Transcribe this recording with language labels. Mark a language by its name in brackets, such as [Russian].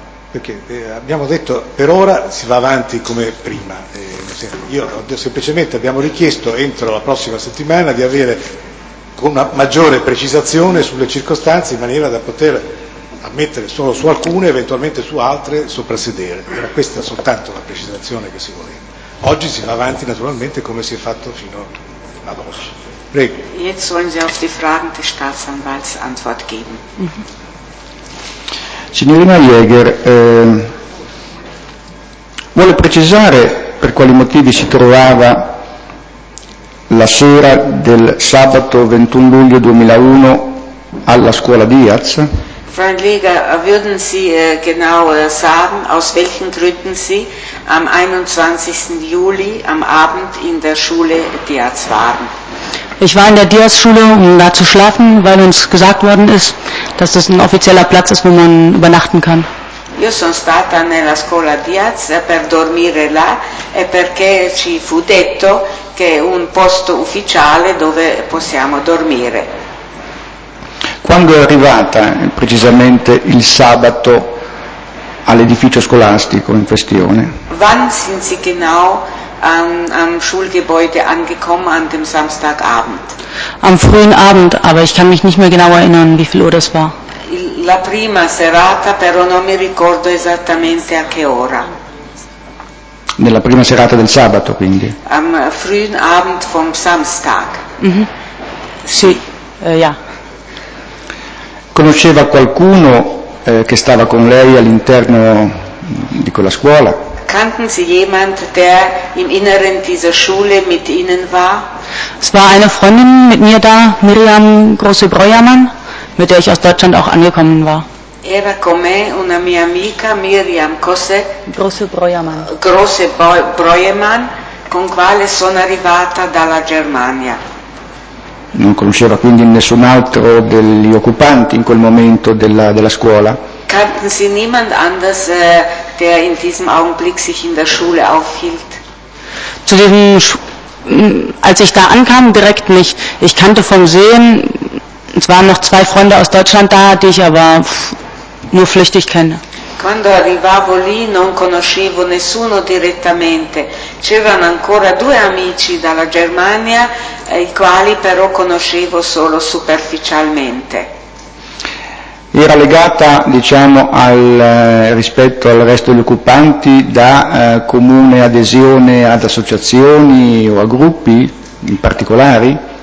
[Italian] Perché abbiamo detto per ora si va avanti come prima, io semplicemente abbiamo richiesto entro la prossima settimana di avere una maggiore precisazione sulle circostanze in maniera da poter ammettere solo su alcune, eventualmente su altre, soprassedere. Era questa soltanto la precisazione che si voleva. Oggi si va avanti naturalmente come si è fatto fino ad oggi. Prego. [German] Jetzt sollen Sie auf die Fragen des Staatsanwalts Antwort geben. [Italian] Signorina Jäger, vuole precisare per quali motivi si trovava la sera del sabato 21 luglio 2001 alla scuola Diaz? [German] Frau Jäger, würden Sie genau sagen, aus welchen Gründen Sie am 21. Juli am Abend in der Schule Diaz waren? Ich war in der Diaz-Schule, um da zu schlafen, weil uns gesagt worden ist, dass das ein offizieller Platz ist, wo man übernachten kann. [Italian] Io sono stata nella scuola Diaz per dormire là e perché ci fu detto che è un posto ufficiale dove possiamo dormire. Quando è arrivata precisamente il sabato all'edificio scolastico in questione? [German] Wann sind Sie genau am Schulgebäude angekommen an dem Samstagabend? Am frühen Abend, aber ich kann mich nicht mehr genau erinnern, wie viel Uhr das war. [Italian] La prima serata, però non mi ricordo esattamente a che ora. Nella prima serata del sabato, quindi? [German] Am frühen Abend vom Samstag. [Italian] Sì, yeah. Conosceva qualcuno che stava con lei all'interno di quella scuola? [German] Kannten Sie jemand, der im Inneren dieser Schule mit Ihnen war? Es war eine Freundin mit mir da, Miriam Große-Breuermann, mit der ich aus Deutschland auch angekommen war. [Italian] Era con me una mia amica Miriam Große-Breuermann. Große-Breuermann, con quale sono arrivata dalla Germania. Non conosceva quindi nessun altro degli occupanti in quel momento della scuola? [German] Kannten Sie niemand anders, der in diesem Augenblick sich in der Schule aufhielt? Zu diesem als ich da ankam, direkt nicht. Ich kannte vom Sehen, es waren noch zwei Freunde aus Deutschland da, die ich aber nur flüchtig kenne. [Italian] Quando arrivavo lì non conoscevo nessuno direttamente. C'erano ancora due amici dalla Germania, i quali però conoscevo solo superficialmente. Era legata, diciamo, rispetto al resto degli occupanti da comune adesione ad associazioni o a gruppi in particolari?